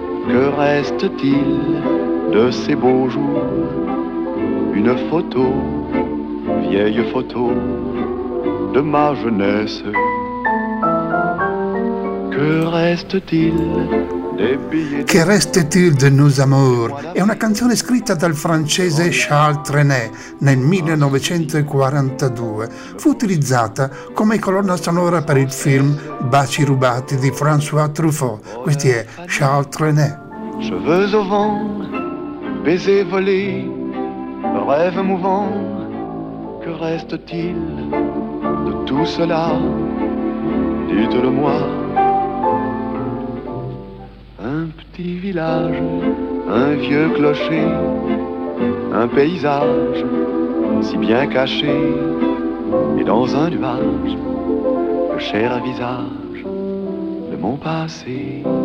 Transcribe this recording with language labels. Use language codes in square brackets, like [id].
[fr] Que reste-t-il de ces beaux jours? Une photo, vieille photo de ma jeunesse. Que reste-t-il des billets? Que reste-t-il de nos amours? [it] È una canzone scritta dal francese Charles Trenet nel 1942. Fu utilizzata come colonna sonora per il film Baci rubati di François Truffaut. Questi è Charles Trenet. [fr] Cheveux au vent, baiser volé. Rêve mouvant, que reste-t-il de tout cela? Dites-le-moi. Un petit village, un vieux clocher, un paysage si bien caché, et dans un nuage, le cher visage de mon passé.